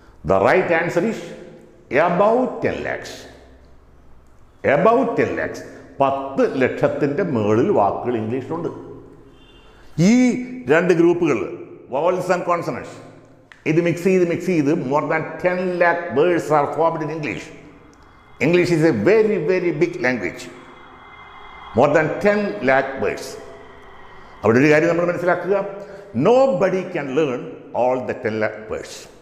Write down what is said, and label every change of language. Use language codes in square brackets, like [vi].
[en] The right answer is about 10 lakhs. About 10 lakhs. [ml] 10 ലക്ഷത്തിൻ്റെ മുകളിൽ വാക്കുകൾ ഇംഗ്ലീഷിലുണ്ട്. ഈ രണ്ട് ഗ്രൂപ്പുകൾ, വവൽസ് ആൻഡ് കോൺസണൻസ്, ഇത് മിക്സ് ചെയ്ത് [en] More than 10 lakh words are formed in English. English is a very very big language. More than 10 lakh words. [ml] അവിടെ ഒരു കാര്യം നമ്മൾ മനസ്സിലാക്കുക, [en] Nobody can learn all the 10 lakh words.